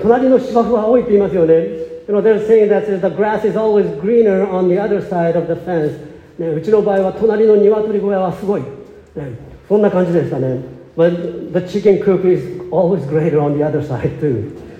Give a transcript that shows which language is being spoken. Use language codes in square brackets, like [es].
[en] You know, they're saying that the grass is always greener on the other side of the fence. [ja] ね、うちの場合は隣の鶏小屋はすごい。ね、そんな感じでしたね。 [en] But the chicken coop is always greater on the other side too.